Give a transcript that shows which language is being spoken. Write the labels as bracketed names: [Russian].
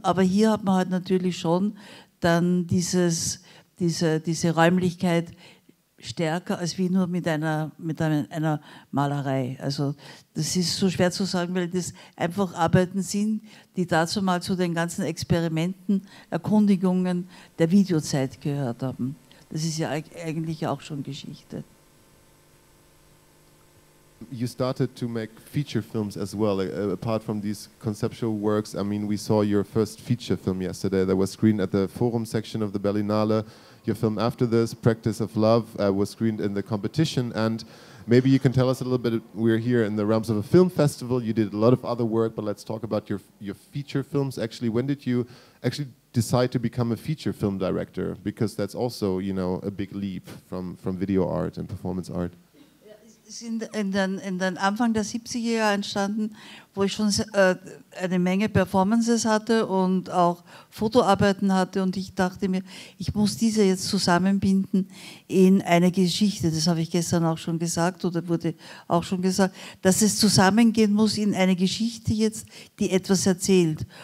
[German] Aber hier hat man halt natürlich schon dann diese Räumlichkeit stärker als wie nur mit einer Malerei. Also das ist so schwer zu sagen, weil das einfach Arbeiten sind, die dazu mal zu den ganzen Experimenten, Erkundigungen der Videozeit gehört haben. Das ist ja eigentlich auch schon Geschichte. [English] You started to make feature films as well, apart from these conceptual works. I mean, we saw your first feature film yesterday that was screened at the Forum section of the Berlinale. Your film after this, Practice of Love, was screened in the competition. And maybe you can tell us a little bit, we're here in the realms of a film festival. You did a lot of other work, but let's talk about your feature films. Actually, when did you actually decide to become a feature film director? Because that's also, you know, a big leap from video art and performance art. [German] Sind in den Anfang der 70er Jahre entstanden, wo ich schon eine Menge Performances hatte und auch Fotoarbeiten hatte, und ich dachte mir, ich muss diese jetzt zusammenbinden in eine Geschichte. Das habe ich gestern auch schon gesagt, oder wurde auch schon gesagt, dass es zusammengehen muss in eine Geschichte jetzt, die etwas erzählt.